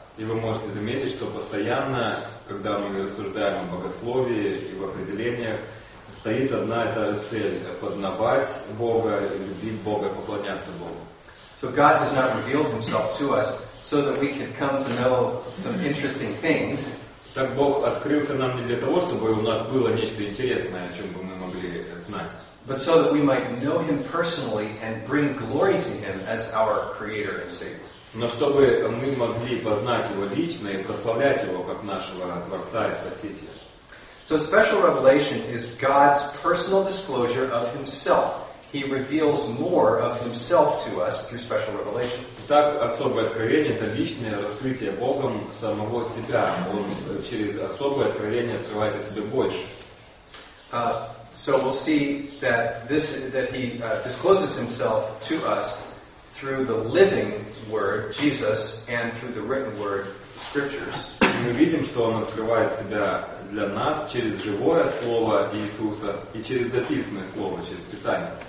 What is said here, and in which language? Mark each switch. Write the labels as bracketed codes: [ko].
[ru] И вы можете заметить, что постоянно, когда мы рассуждаем о богословии и в определениях, стоит одна и та же цель — познавать Бога, любить Бога, поклоняться Богу. [en] So God has not revealed Himself to us so that we could come to know some interesting things. [ru] Так Бог открылся нам не для того, чтобы у нас было нечто интересное, о чем бы мы могли знать. [en] But so that we might know Him personally and bring glory to Him as our Creator and Savior. [ru] Но чтобы мы могли познать Его лично и прославлять Его как нашего Творца и Спасителя. [en] So special revelation is God's personal disclosure of Himself. He reveals more of Himself to us through special revelation. [ru] Итак, особое откровение — это личное раскрытие Богом самого себя. Он через особое откровение открывает о себе больше. [en] So we'll see that he discloses Himself to us through the living Word, Jesus, and through the written Word, Scriptures. [ru] Мы мы видим, что Он открывает Себя для нас через живое Слово Иисуса и через записанное Слово, через Писание.